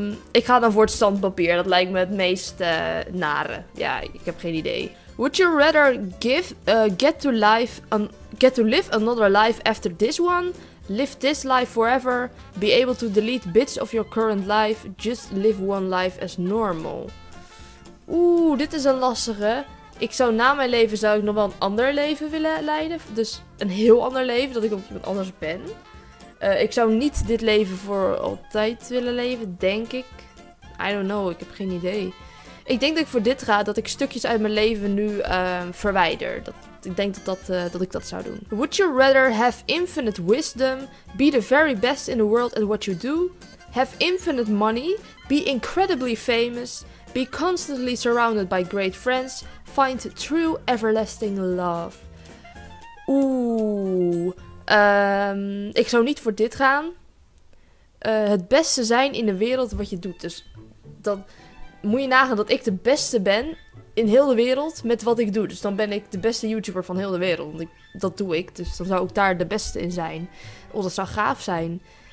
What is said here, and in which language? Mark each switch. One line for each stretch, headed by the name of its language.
Dutch: Ik ga dan voor het zandpapier. Dat lijkt me het meest nare. Ja, ik heb geen idee.
English: Would you rather get to live another life after this one? Live this life forever? Be able to delete bits of your current life? Just live one life as normal?
Dutch: Oeh, dit is een lastige. Ik zou na mijn leven zou ik nog wel een ander leven willen leiden. Dus een heel ander leven, dat ik op iemand anders ben. Ik zou niet dit leven voor altijd willen leven, denk ik.
English: I don't know,
Dutch: ik heb geen idee. Ik denk dat ik voor dit ga, dat ik stukjes uit mijn leven nu verwijder. Ik denk dat ik dat zou doen.
English: Would you rather have infinite wisdom, be the very best in the world at what you do, have infinite money, be incredibly famous, be constantly surrounded by great friends, find true everlasting love? Oeh...
Dutch: ik zou niet voor dit gaan. Het beste zijn in de wereld wat je doet. Dus dan moet je nagaan dat ik de beste ben in heel de wereld met wat ik doe. Dus dan ben ik de beste YouTuber van heel de wereld. Want dat doe ik. Dus dan zou ik daar de beste in zijn. Oh, dat zou gaaf zijn.